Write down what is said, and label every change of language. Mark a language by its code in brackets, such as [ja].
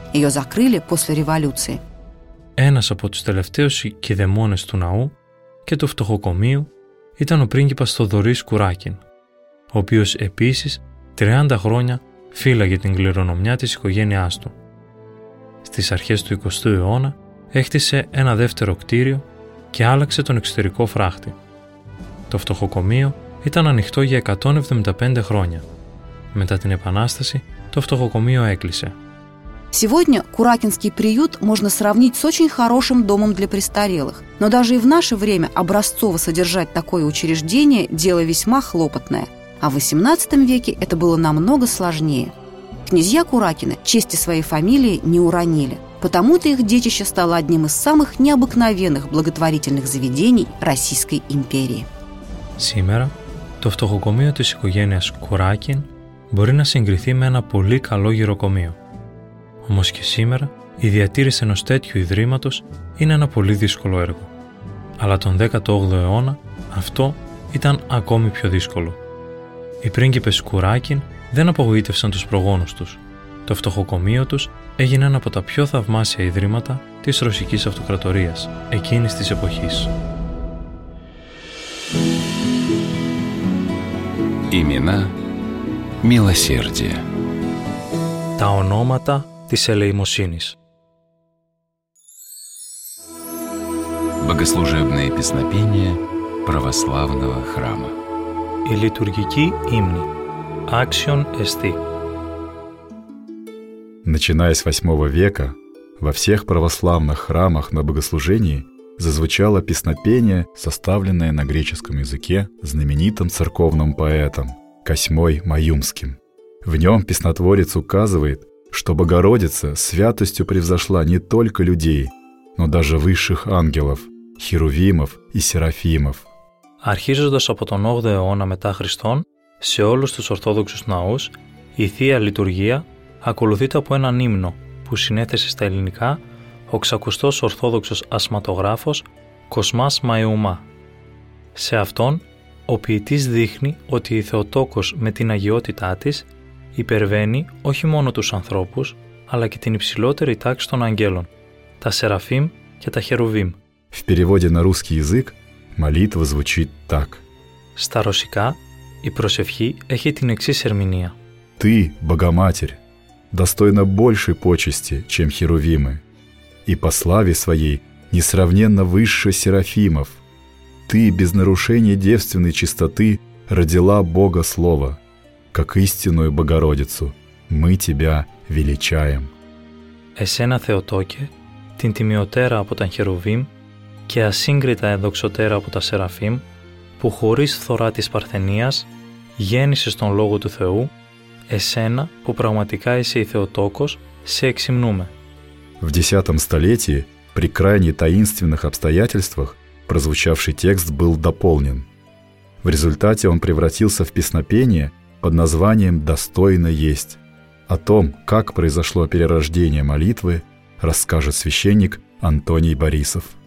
[ru] Ее закрыли после революции. [el] Ένας από τους τελευταίους κηδεμόνες του ναού και του φτωχοκομείου ήταν ο πρίγκιπας Θοδωρής Κουράκιν, ο οποίος επίσης 30 χρόνια φύλαγε την κληρονομιά της οικογένειάς του. Στις αρχές του 20ου αιώνα έκτισε ένα δεύτερο κτίριο και άλλαξε τον εξωτερικό φράχτη. Το φτωχοκομείο ήταν ανοιχτό για 175 χρόνια. Μετά την Επανάσταση, το φτωχοκομείο έκλεισε. [ru] Сегодня Куракинский приют можно сравнить с очень хорошим домом для престарелых. Но даже и в наше время образцово содержать такое учреждение – дело весьма хлопотное. А в XVIII веке это было намного сложнее. Князья Куракины чести своей фамилии не уронили. Потому-то их детище стало одним из самых необыкновенных благотворительных заведений Российской империи. Сегодня [el] то фтохокомείο της οικογένειας Куракин μπορεί να συγκριθεί με ένα πολύ καλό γυροκομείο. Όμως και σήμερα, η διατήρηση ενός τέτοιου ιδρύματος είναι ένα πολύ δύσκολο έργο. Αλλά τον 18ο αιώνα, αυτό ήταν ακόμη πιο δύσκολο. Οι πρίγκιπες Κουράκιν δεν απογοήτευσαν τους προγόνους τους. Το φτωχοκομείο τους έγινε ένα από τα πιο θαυμάσια ιδρύματα της Ρωσικής Αυτοκρατορίας εκείνης της εποχής. [ru] Ημινά Μιλοσέρδια. [el] Τα ονόματα της ελεημοσύνης. [ru] Богослужебные песнопения православного храма. [el] Η λειτουργική ύμνη. Action ST. [ru] Начиная с VIII века, во всех православных храмах на богослужении зазвучало песнопение, составленное на греческом языке знаменитым церковным поэтом Косьмой Маюмским. В нем песнотворец указывает, что Богородица святостью превзошла не только людей, но даже высших ангелов, херувимов и серафимов. [el] Αρχίζοντας από τον 8ο αιώνα μετά Χριστόν, σε όλους τους Ορθόδοξους ναούς, η Θεία Λειτουργία ακολουθείται από έναν ύμνο που συνέθεσε στα ελληνικά ο ξακουστός Ορθόδοξος ασματογράφος Κοσμάς Μαϊούμα. Σε αυτόν, ο ποιητής δείχνει ότι η Θεοτόκος με την αγιότητά της υπερβαίνει όχι μόνο τους ανθρώπους, αλλά και την υψηλότερη τάξη των αγγέλων, τα Σεραφείμ και τα Χερουβίμ. [ru] В переводе на русский язык молитва звучит так. [el] Στα ρωσικά, η προσευχή έχει την εξής ερμηνεία. [ru] Ты, Богоматерь, достойна большей почести, чем Херувимы, и по славе своей несравненно выше Серафимов. Ты, без нарушения девственной чистоты, родила Бога Слово. Как истинную Богородицу, мы тебя величаем. [el] Εσένα, Θεοτόκε, την τιμιωτέρα από τον Херувίμ και ασύγκριτα ενδοξωτέρα από τα Σεραφείμ, που χωρίς φθορά της Παρθενίας γέννησες τον Λόγο του Θεού, εσένα που πραγματικά είσαι η Θεοτόκος, σε εξυμνούμε. [ru] В 10 столетии, при крайне таинственных обстоятельствах, прозвучавший текст был дополнен. В результате он превратился в песнопение под названием «Достойно есть». О том, как произошло перерождение молитвы, расскажет священник Антоний Борисов.